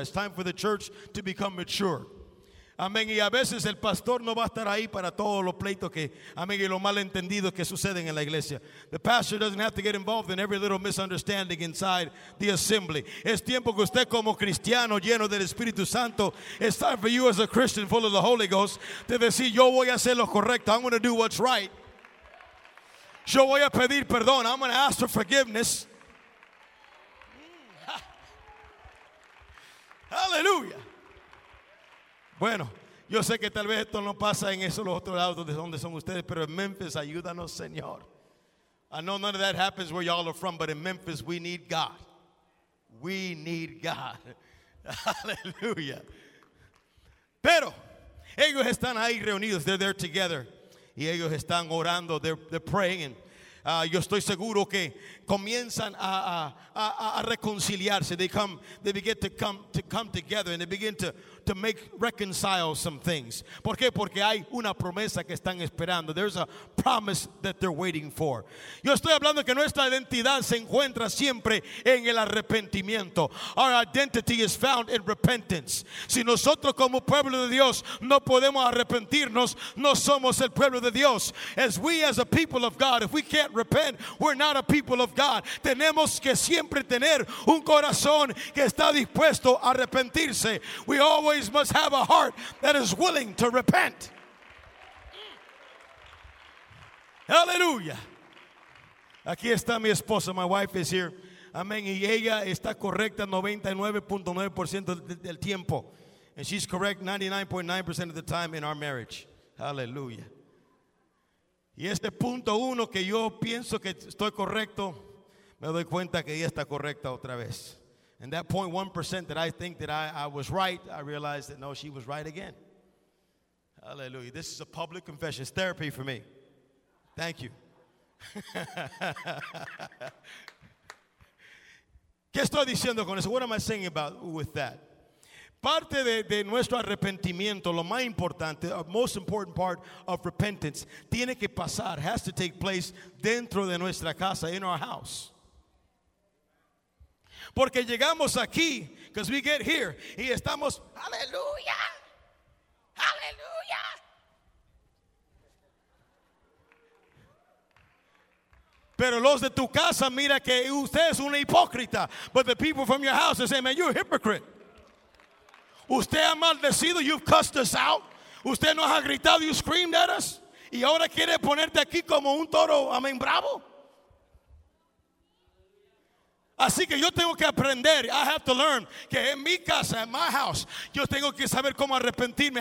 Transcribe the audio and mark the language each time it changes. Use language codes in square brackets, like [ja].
[en] It's time for the church to become mature. [es] Amén. Y a veces el pastor no va a estar ahí para todos los pleitos que, amén, y los malentendidos que suceden en la iglesia. [en] The pastor doesn't have to get involved in every little misunderstanding inside the assembly. [es] Es tiempo que usted como cristiano lleno del Espíritu Santo, [en] it's time for you as a Christian full of the Holy Ghost, to [es] decir, yo voy a hacer lo correcto. [en] I'm going to do what's right. [es] Yo voy a pedir perdón. [en] I'm going to ask for forgiveness. Hallelujah. [es] Bueno, yo sé que tal vez esto no pasa en esos los otros lados donde son ustedes, pero en Memphis, ayúdanos, Señor. [en] I know none of that happens where y'all are from, but in Memphis, we need God. We need God. Hallelujah. [es] Pero, ellos están ahí reunidos. [en] They're there together. [es] Y ellos están orando. [en] They're praying. And [es] Yo estoy seguro que comienzan a reconciliarse. [en] They begin to come together and they begin to make reconcile some things. [es] ¿Por qué? Porque hay una promesa que están esperando. [en] There's a promise that they're waiting for. [es] Yo estoy hablando que nuestra identidad se encuentra siempre en el arrepentimiento. [en] Our identity is found in repentance. [es] Si nosotros como pueblo de Dios no podemos arrepentirnos, no somos el pueblo de Dios. [en] As we as a people of God, if we can't repent, we're not a people of God. [es] Tenemos que siempre tener un corazón que está dispuesto a arrepentirse. [en] We always must have a heart that is willing to repent. Hallelujah. [es] Aquí está mi esposa. [en] My wife is here. Amen. [es] Y ella está correcta 99.9% del tiempo. [en] And she's correct 99.9% of the time in our marriage. Hallelujah. [es] Y este punto uno que yo pienso que estoy correcto, me doy cuenta que ella está correcta otra vez. [en] And that 0.1% that I think that I was right, I realized that no, she was right again. Hallelujah. This is a public confession. It's therapy for me. Thank you. [es] ¿Qué estoy diciendo con eso? [en] What am I saying about with that? [es] Parte de nuestro arrepentimiento, lo más importante, [en] the most important part of repentance, [es] tiene que pasar, [en] has to take place [es] dentro de nuestra casa, [en] in our house. [es] Porque llegamos aquí, [en] because we get here, [es] y estamos, aleluya, aleluya. Pero los de tu casa, mira que usted es una hipócrita. [en] But the people from your house, they say, man, you're a hypocrite. [es] Usted ha maldecido, [en] you've cussed us out. [es] Usted nos ha gritado, [en] you screamed at us. [es] Y ahora quiere ponerte aquí como un toro, amén, bravo. Así que yo tengo que aprender, [en] I have to learn, [es] que en mi casa, en my house, yo tengo que saber cómo arrepentirme.